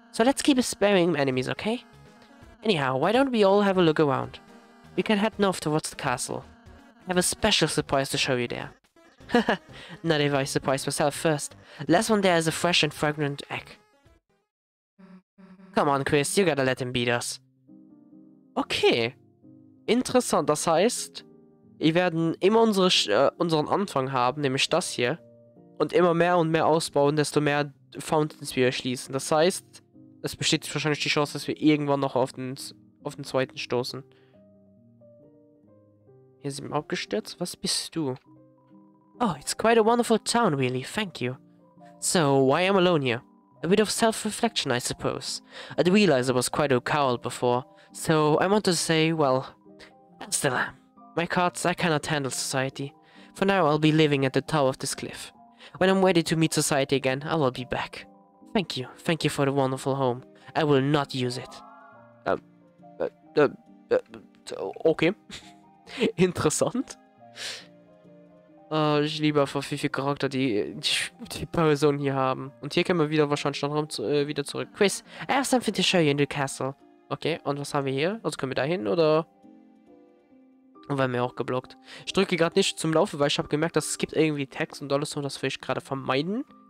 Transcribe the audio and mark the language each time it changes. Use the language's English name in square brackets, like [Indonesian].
[English] So let's keep sparing enemies, okay? Anyhow, why don't we all have a look around? We can head north towards the castle. I have a special surprise to show you there. Not if I surprise myself first. Last one there is a fresh and fragrant egg. Come on, Chris, you gotta let him beat us. Okay. [German] Interessant, das heißt, wir werden immer unsere, unseren Anfang haben, nämlich das hier. Und mehr ausbauen, desto mehr Fountains wir erschließen. Das heißt, es besteht wahrscheinlich die Chance, dass wir irgendwann noch auf den zweiten stoßen. Hier sind wir abgestürzt. Was bist du? [English] Oh, it's quite a wonderful town, really. Thank you. So, why am I alone here? A bit of self-reflection, I suppose. I'd realize I was quite a coward before, so I want to say, well, and still am. My cards, I cannot handle society. For now, I'll be living at the top of this cliff. When I'm ready to meet society again, I will be back. Thank you. Thank you for the wonderful home. I will not use it. [German] Okay. Interessant. Oh, ich liebe einfach viel, viel Charakter, die Person hier haben. Und hier können wir wieder wahrscheinlich noch wieder zurück. [English] Chris, I have something to show you in the castle. [German] Okay, und was haben wir hier? Also können wir da hin, oder? Und werden wir auch geblockt. Ich drücke gerade nicht zum Laufen, weil ich habe gemerkt, dass es gibt irgendwie Text und alles, und das will ich gerade vermeiden.